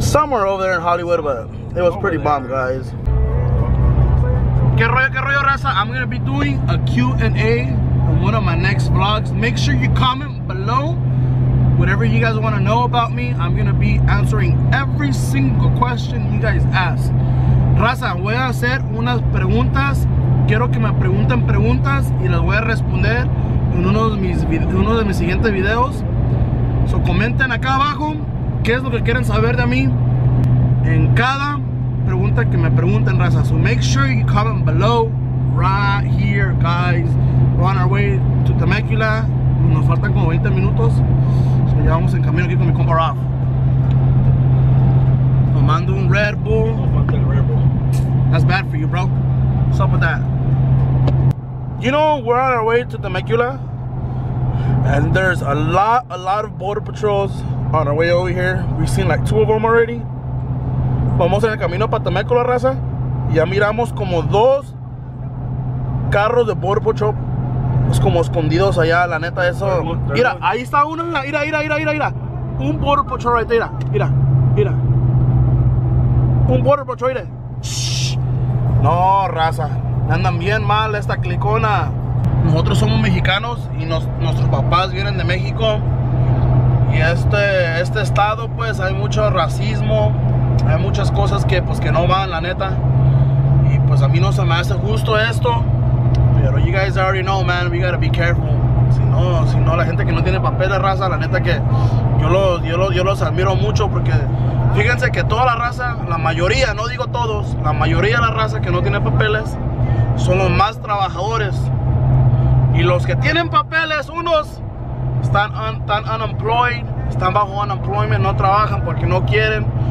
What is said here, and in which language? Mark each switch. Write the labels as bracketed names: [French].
[English] Somewhere over there in Hollywood, but it was pretty bomb, guys. [Spanish] Qué rollo, raza? [English] I'm gonna be doing a Q&A on one of my next vlogs. Make sure you comment below whatever you guys want to know about me. I'm gonna be answering every single question you guys ask. [Spanish] Raza, voy a hacer unas preguntas. Quiero que me pregunten preguntas y las voy a responder en uno de mis siguientes videos. So comenten acá abajo qué es lo que quieren saber de mí en cada pregunta que me pregunten, raza. [English] So make sure you comment below right here, guys. We're on our way to Temecula. [Spanish] Nos faltan como 20 minutos. So ya vamos en camino aquí con mi compa Raf. Tomando un Red Bull. Nos falta el Red Bull. [English] That's bad for you, bro. What's up with that? You know, we're on our way to Temecula. And there's a lot of border patrols on our way over here. We've seen like 2 of them already. [Spanish] Vamos en el camino para Temecula, raza. Ya miramos como 2 carros de border patrol es como escondidos allá, la neta, eso. Mira, ahí está uno, mira. [English] Un Border Patrol right there, mira. [Spanish] Un [English] Border Patrol right there. [Spanish] No, raza, andan bien mal esta clicona. Nosotros somos mexicanos y nuestros papás vienen de México. Y este estado, pues, hay mucho racismo. Hay muchas cosas que, pues, que no van, la neta. Y, pues, a mí no se me hace justo esto. [English] Pero you guys already know, man, we gotta be careful. [Spanish] Si no, la gente que no tiene papel de raza, la neta que yo los admiro mucho. Porque fíjense que toda la raza, la mayoría, no digo todos, la mayoría de la raza que no tiene papeles son los más trabajadores. Y los que tienen papeles, unos están unemployed, están bajo unemployment, no trabajan porque no quieren.